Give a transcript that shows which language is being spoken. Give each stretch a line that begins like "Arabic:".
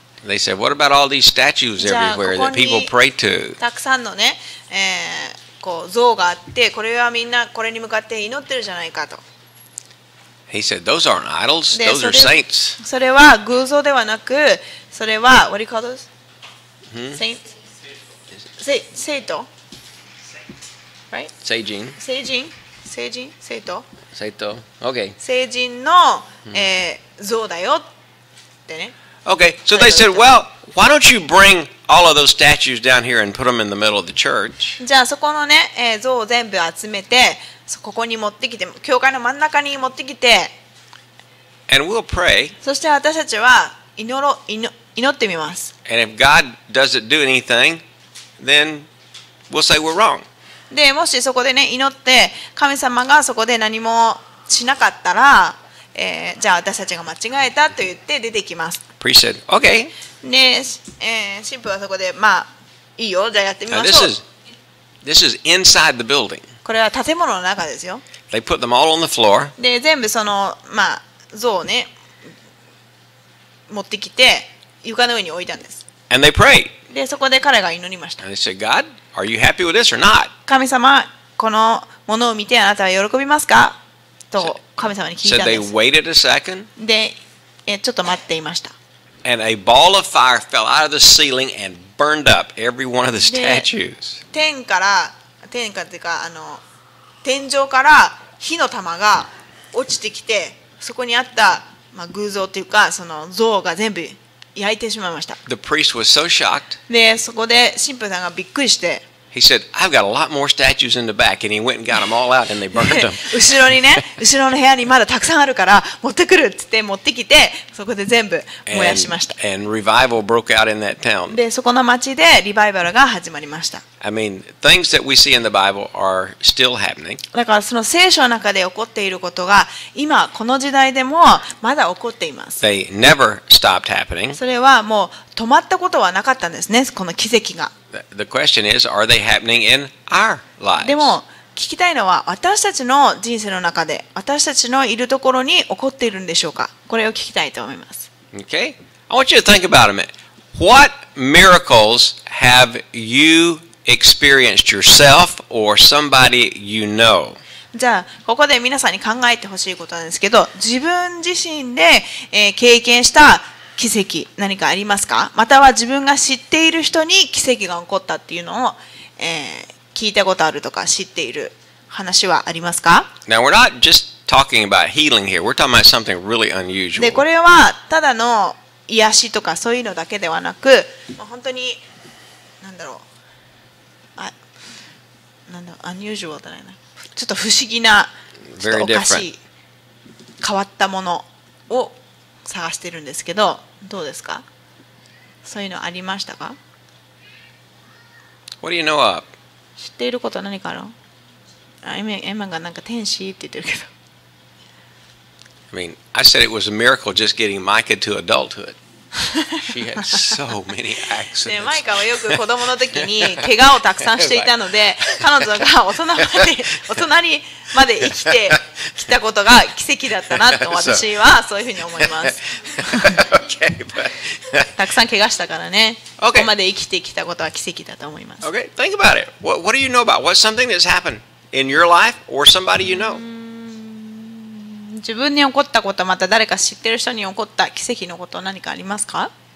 English: They said, What about all these statues everywhere that people pray to?
Japanese: たくさんのね、こう像があって、これはみんなこれに向かって祈ってるじゃないかと。
English: He said, Those aren't idols. Those are saints.
Japanese: それは偶像ではなく、それは
English: What do you call those? Saints?
Japanese: 聖徒 right? 聖人聖人聖人聖徒聖徒 okay. 聖人の、像だよってね
English: Okay, so they said, well, why don't you bring all of those statues down here and put them in the middle of the church?
Japanese: じゃあそこのね、像を全部集めてここに持ってきて教会の真ん中に持ってきて
English: And we'll pray.
Japanese: そして私たちは祈ってみます
English: And if God doesn't do anythingThen we'll say we're wrong.
Japanese: で、もしそこでね、祈って神様がそこで何もしなかったら、じゃあ私たちが間違えたと言って出てきます。
English: Priest said, okay.
Japanese: で、神父はそこで、まあ、いいよ、じゃあやってみましょう。
English: This is inside the building.
Japanese: これは建物の中ですよ。
English: They put them all on the floor.
Japanese: で、全部その、まあ、像をね、持ってきて、床の上に置いたんです。
English: And they prayed.
Japanese: でそこで彼が祈りました。
English: And they said, God, are you happy with this or not?
Japanese: 神様、このものを見てあなたは喜びますか？と神様に聞いたんです。
English: So they waited a second.
Japanese: で、ちょっと待っていました。
English: And a ball of fire fell out of the ceiling and burned up every one of the statues.
Japanese: 天井から火の玉が落ちてきて、そこにあった、まあ、偶像というかその像が全部焼いてしまいました。
English: The priest was so shocked.
Japanese: で、そこで神父さんがびっくりして。
English: He said, I've got a lot more statues in the back, and he went and got them all out, and they burned them.
Japanese: 後ろにね、後ろの部屋にまだたくさんあるから持ってくるって言って持ってきて、そこで全部燃やしました。
English: And revival broke out in that town.
Japanese: で、そこの町でリバイバルが始まりました。
English: I mean, things that we see in the Bible are still happening.
Japanese: だからその聖書の中で起こっていることが今この時代でもまだ起こっています。
English: They never stopped happening.
Japanese: それはもう止まったことはなかったんですね、この奇跡が。
English: The question is, are they happening in our lives?
Japanese: でも聞きたいのは私たちの人生の中で私たちのいるところに起こっているんでしょうか。これを聞きたいと思います。
English: Okay, I want you to think about a minute. What miracles have you experienced yourself or somebody you know.
Japanese: じゃあここで皆さんに考えてほしいことなんですけど、自分自身で、経験した奇跡何かありますか？または自分が知っている人に奇跡が起こったっていうのを、聞いたことあるとか知っている話はありますか？
English: Now we're not just talking about healing here. We're talking about something really unusual.
Japanese: でこれはただの癒しとかそういうのだけではなく、もう本当に何だろう、あ、何だろう、unusual じゃないな。ちょっと不思議な、ちょっとおかしい、変わったものを探してるんですけど、どうですか？そういうのありましたか？
English: What do you know of?
Japanese: 知っていることは何かあるの？エマがなんか天使って言ってるけど。
English: I mean, I said it was a miracle just getting Micah to adulthood. She had so many accidents.
Japanese: マイカはよく子供の時に怪我をたくさんしていたので、彼女が大人まで生きてきたことが奇跡だったなと私はそういうふうに思います。
English: Okay, but...
Japanese: たくさん怪我したからね。
English: Okay.
Japanese: ここまで生きてきたことは奇跡だと思います。
English: Okay, think about it. What do you know about? What's something that's happened in your life or somebody you know?
Japanese: 自分に起こったこと、また誰か知ってる人に起こった奇跡のこと、何かありますか？